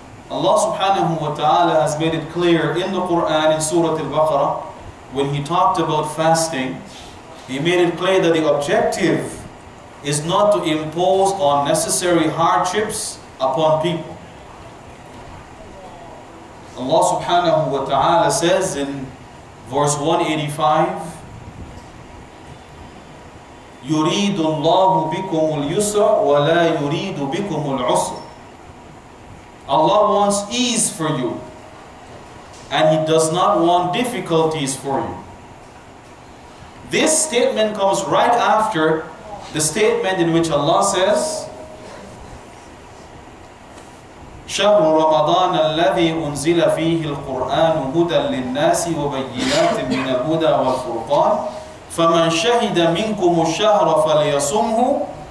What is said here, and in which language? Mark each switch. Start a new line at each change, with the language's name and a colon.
English: Allah subhanahu wa ta'ala has made it clear in the Quran, in Surah Al-Baqarah, when he talked about fasting, he made it clear that the objective is not to impose unnecessary hardships upon people. Allah subhanahu wa ta'ala says in verse 185,
Arabic: يُرِيدُ اللَّهُ بِكُمُ الْيُسْرَ وَلَا يُرِيدُ بِكُمُ الْعُسْرَ.
English: Allah wants ease for you, and he does not want difficulties for you. This statement comes right after the statement in which Allah says,
Arabic: شَهْرُ رَمَضَانَ الَّذِي أُنزِلَ فِيهِ الْقُرْآنُ هُدًى لِلنَّاسِ وَبَيِّنَاتٍ مِنَ الْهُدَى وَالْفُرْقَانِ فَمَنْ شَهِدَ مِنْكُمُ الشَّهْرَ فَلْيَصُمْهُ